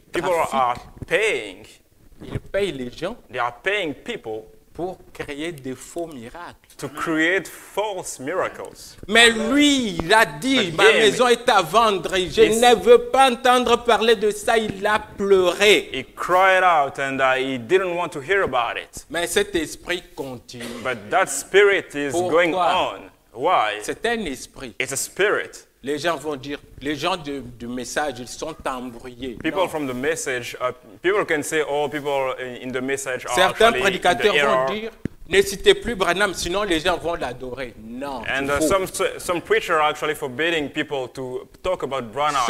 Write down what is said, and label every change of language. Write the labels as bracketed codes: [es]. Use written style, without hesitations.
[en] People are paying. [fr] Ils payent les gens. [en] They are paying people. [fr] Pour créer des faux miracles. [en] To create false miracles. [fr] Mais lui, il a dit, but ma maison est à vendre. Je ne veux pas entendre parler de ça. Il a pleuré. [en] He cried out and he didn't want to hear about it. [fr] Mais cet esprit continue. [en] But that spirit is [fr] pourquoi? [en] Going on. Why? [fr] C'est un esprit. [en] It's a spirit. [fr] Les gens vont dire, les gens du message, ils sont embrouillés. [en] People from the message, people can say, oh, people in the message are. [fr] Certains prédicateurs vont dire, ne citez plus Branham, sinon les gens vont l'adorer. Non. [en] And some preachers are actually forbidding people to talk about Branham.